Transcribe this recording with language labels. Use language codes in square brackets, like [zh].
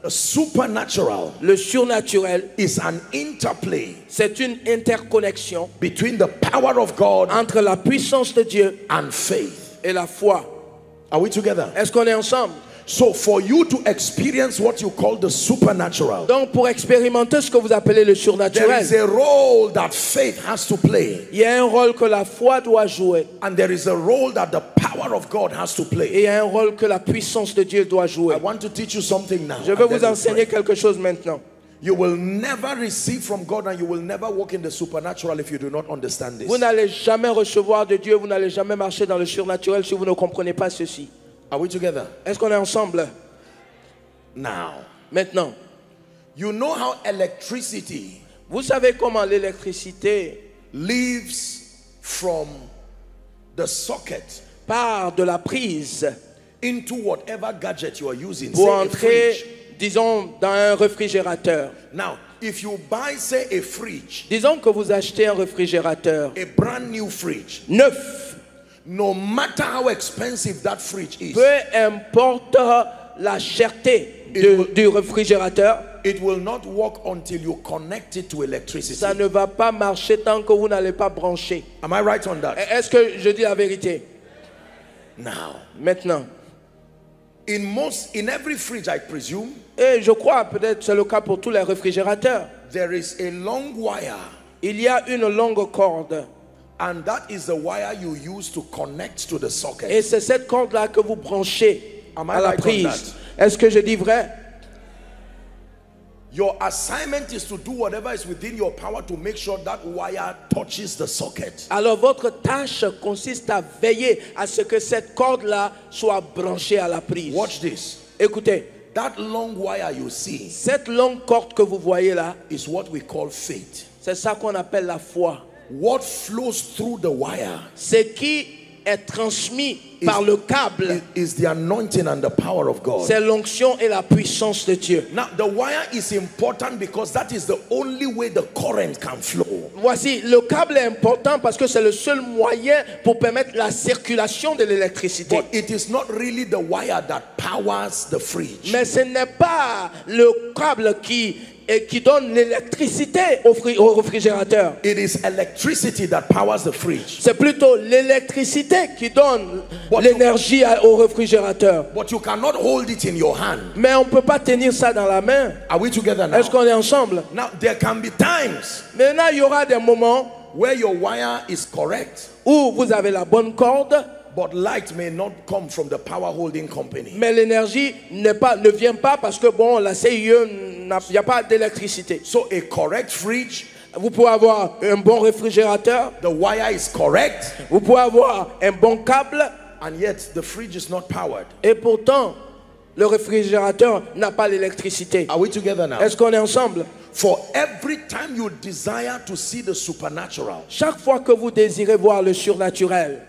[en] The supernatural, [fr] le surnaturel, [en] is an interplay, [fr] c'est une interconnexion [en] between the power of God, [fr] entre la puissance de Dieu [en] and faith, [fr] et la foi. [en] Are we together? [fr] Est-ce qu'on est ensemble? [en] So for you to experience what you call the supernatural, [fr] donc pour expérimenter ce que vous appelez le surnaturel, [en] there is a role that faith has to play. [fr] Il y a un rôle que la foi doit jouer. [en] And there is a role that the power of God has to play. [fr] Et il y a un rôle que la puissance de Dieu doit jouer. [en] I want to teach you something now. [fr] Je veux vous enseigner quelque chose maintenant. [en] You will never receive from God and you will never walk in the supernatural if you do not understand this. [fr] Vous n'allez jamais recevoir de Dieu, vous n'allez jamais marcher dans le surnaturel si vous ne comprenez pas ceci. [en] Are we together? [fr] Est-ce qu'on est ensemble? [en] Now. [fr] Maintenant. [en] You know how electricity. [fr] Vous savez comment l'électricité [en] leaves from the socket. [fr] Part de la prise [en] into whatever gadget you are using. [fr] Pour entrer, disons, dans un réfrigérateur. [en] Now, if you buy, say, a fridge. [fr] Disons que vous achetez un réfrigérateur. [en] A brand new fridge. [fr] Neuf. [en] No matter how expensive that fridge is, [fr] peu importe la cherté du réfrigérateur, [en] it will not work until you connect it to electricity. [fr] Ça ne va pas marcher tant que vous n'allez pas brancher. [en] Am I right on that? [fr] Est-ce que je dis la vérité? [en] Now, [fr] maintenant, [en] in every fridge, I presume, [fr] et je crois peut-être c'est le cas pour tous les réfrigérateurs, [en] there is a long wire. [fr] Il y a une longue corde. [en] And that is the wire you use to connect to the socket. [fr] Et c'est cette corde là que vous branchez à la prise. Est-ce que je dis vrai? [en] Your assignment is to do whatever is within your power to make sure that wire touches the socket. [fr] Alors votre tâche consiste à veiller à ce que cette corde là soit branchée à la prise. [en] Watch this. [fr] Écoutez. [en] That long wire you see, [fr] cette longue corde que vous voyez là, [en] is what we call faith. [fr] C'est ça qu'on appelle la foi. [en] What flows through the wire? [fr] Ce qui est transmis par le câble [en] is the anointing and the power of God. [fr] C'est l'onction et la puissance de Dieu. [en] Now the wire is important because that is the only way the current can flow. [fr] Voici, le câble est important parce que c'est le seul moyen pour permettre la circulation de l'électricité. [en] But it is not really the wire that powers the fridge. [fr] Mais ce n'est pas le câble qui donne l'électricité au réfrigérateur. [en] It is electricity that powers the fridge. [fr] C'est plutôt l'électricité qui donne l'énergie au réfrigérateur. [en] But you cannot hold it in your hand. [fr] Mais on ne peut pas tenir ça dans la main. [en] Are we together now? [fr] Est-ce qu'on est ensemble? [en] Now, there can be times. [fr] Maintenant, il y aura des moments [en] where your wire is correct, [fr] où vous avez la bonne corde. [en] But light may not come from the power holding company. [fr] Mais l'énergie ne vient pas parce que bon, la CIE, y a pas d'électricité. [en] So a correct fridge, [fr] vous pouvez avoir un bon réfrigérateur. [en] The wire is correct, [fr] vous pouvez avoir un bon câble. [en] And yet the fridge is not powered. [fr] Et pourtant, le réfrigérateur n'a pas l'électricité. [en] Are we together now? [fr] Est-ce qu'on est ensemble? [en] For every time you desire to see the supernatural, [fr] chaque fois que vous désirez voir le surnaturel,